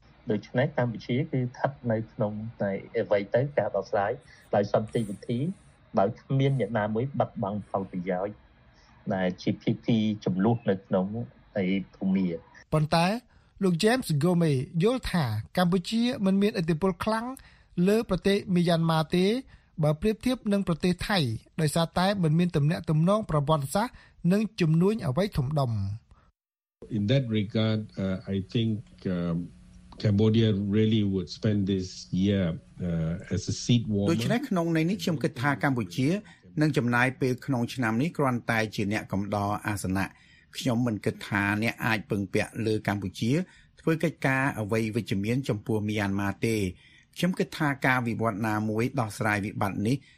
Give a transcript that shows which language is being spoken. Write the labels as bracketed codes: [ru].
[km] ដូច្នេះកម្ពុជាគឺស្ថិតនៅក្នុងតែអ្វីទៅការដោះស្រាយដោយសន្តិវិធីដោយគ្មានអ្នកណាមួយបាត់បង់ផលប្រយោជន៍ដែលជាភាគីចំនួននៅក្នុងតែភូមិ ប៉ុន្តែលោក James Gourmet យល់ថាកម្ពុជាមិនមានឥទ្ធិពលខ្លាំងលើប្រទេសមីយ៉ាន់ម៉ាទេបើប្រៀបធៀបនឹងប្រទេសថៃដោយសារតែមិនមានទំនាក់ទំនងប្រវត្តិសាស្ត្រនិងជំនួយអ្វីធំដុំ [en] In that regard I think Cambodia really would spend this year as a seed warmer [km] ដូច្នេះក្នុងន័យនេះខ្ញុំគិតថាកម្ពុជានឹងចំណាយពេលក្នុងឆ្នាំនេះគ្រាន់តែជាអ្នកកំដរអាសនៈខ្ញុំមិនគិតថាអ្នកអាចពឹងពាក់លើកម្ពុជាធ្វើកិច្ចការអ្វីវិជ្ជមានចំពោះមីយ៉ាន់ម៉ាទេខ្ញុំគិតថាការវិវត្តណាមួយដោះស្រាយវិបត្តិនេះ